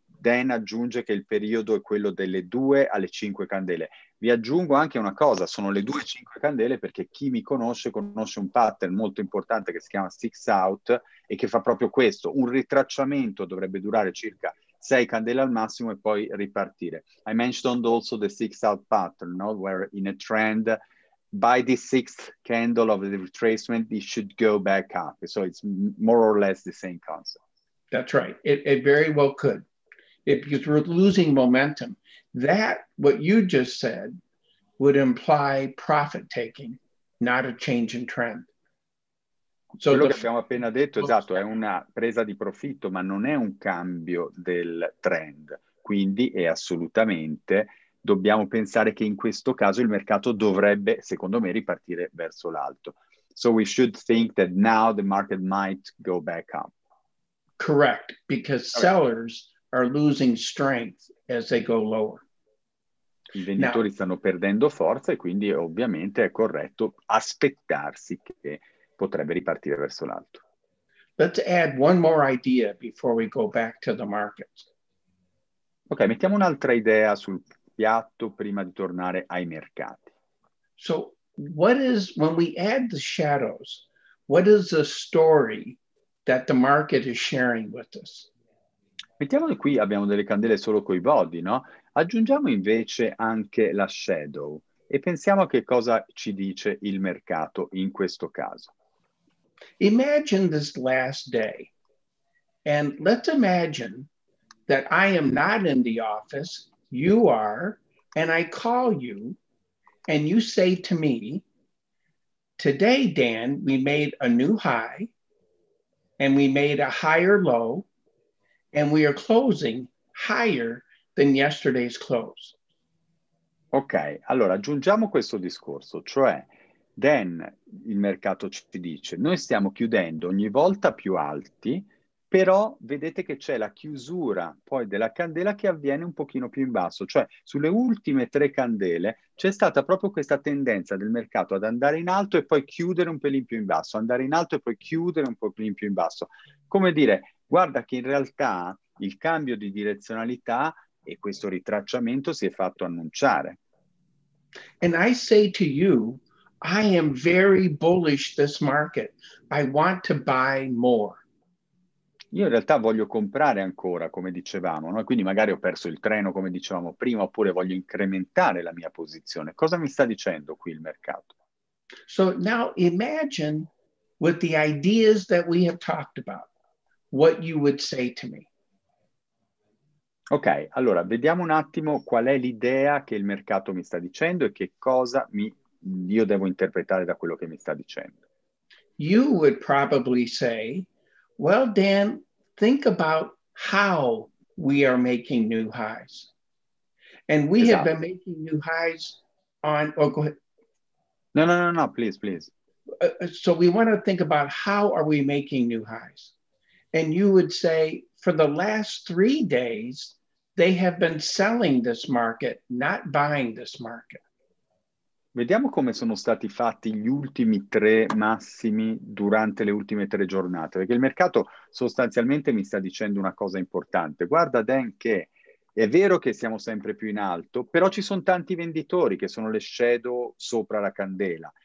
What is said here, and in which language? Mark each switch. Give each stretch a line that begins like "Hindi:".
Italian: Dan aggiunge che il periodo è quello delle 2 alle 5 candele. Vi aggiungo anche una cosa, sono le 2 5 candele perché chi mi conosce un pattern molto importante che si chiama Six Out e che fa proprio questo, un ritracciamento dovrebbe durare circa 6 candele al massimo e poi ripartire.
English: I mentioned also the Six Out pattern, no? Where in a trend by the sixth candle of the retracement, it should go back up. So it's more or less the same concept. That's right. It very well could. Because we're losing momentum. What you just said would imply profit taking, not a change in trend. So
Italian: Quello
English: the
Italian: che abbiamo appena detto, esatto, è una presa di profitto, ma non è un cambio del trend. Quindi è assolutamente. Dobbiamo pensare che in questo caso il mercato dovrebbe, secondo me, ripartire verso l'alto.
English: So we should think that now the market might go back up. Correct, because sellers are losing strength as they go lower.
Italian: I
English: Now,
Italian: venditori stanno perdendo forza e quindi ovviamente è corretto aspettarsi che potrebbe ripartire verso l'alto.
English: let's add one more idea before we go back to the markets.
Italian: Ok, mettiamo un'altra idea sul piatto prima di tornare ai mercati.
English: So, when we add the shadows, what is the story that the market is sharing with us?
Italian: Mettiamole qui, abbiamo delle candele solo coi body, no? Aggiungiamo invece anche la shadow e pensiamo a che cosa ci dice il mercato in questo caso.
English: Imagine this last day, and let's imagine that I am not in the office, you are, and I call you, and you say to me, today, Dan, we made a new high, and we made a higher low, and we are closing higher than yesterday's close.
Italian: Ok, allora aggiungiamo questo discorso, cioè Dan, il mercato ci dice, noi stiamo chiudendo ogni volta più alti, però vedete che c'è la chiusura poi della candela che avviene un pochino più in basso, cioè sulle ultime 3 candele c'è stata proprio questa tendenza del mercato ad andare in alto e poi chiudere un pelin più in basso, andare in alto e poi chiudere un pelin più in basso. Come dire, guarda che in realtà il cambio di direzionalità e questo ritracciamento si è fatto annunciare.
English: And I say to you, I am very bullish this market. I want to buy more.
Italian: Io in realtà voglio comprare ancora, come dicevamo, no? Quindi magari ho perso il treno, come dicevamo prima, oppure voglio incrementare la mia posizione. Cosa mi sta dicendo qui il mercato?
English: So now imagine with the ideas that we have talked about, what you would say to me.
Italian: Ok, allora vediamo un attimo qual è l'idea che il mercato mi sta dicendo e che cosa io devo interpretare da quello che mi sta dicendo.
English: You would probably say, well, Dan, think about how we are making new highs. And we have been
Italian: Esatto.
English: making new highs on, oh, go ahead. No, please, please. So we want to think about how are we making new highs? And you would say for the last 3 days, they have been selling this market, not buying this market.
Italian: Vediamo come sono stati fatti gli ultimi tre massimi durante le ultime tre giornate, perché il mercato sostanzialmente mi sta dicendo una cosa importante. Guarda Dan, che è vero che siamo sempre più in alto, però ci sono tanti venditori che sono le shadow sopra la candela.